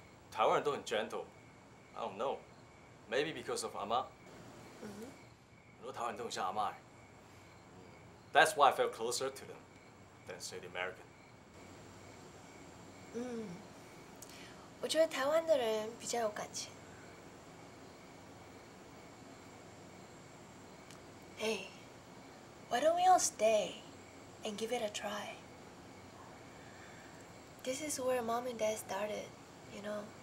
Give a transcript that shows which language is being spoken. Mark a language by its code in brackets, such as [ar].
[zh] 台湾人都很 [en] gentle, I don't know, maybe because of 阿妈。 [zh] 很多台湾人都很像阿妈。 [en] That's why I felt closer to them than say the American. [zh] 我觉得台湾的人比较有感情。 [en] Hey, why don't we all stay and give it a try? This is where mom and dad started, you know.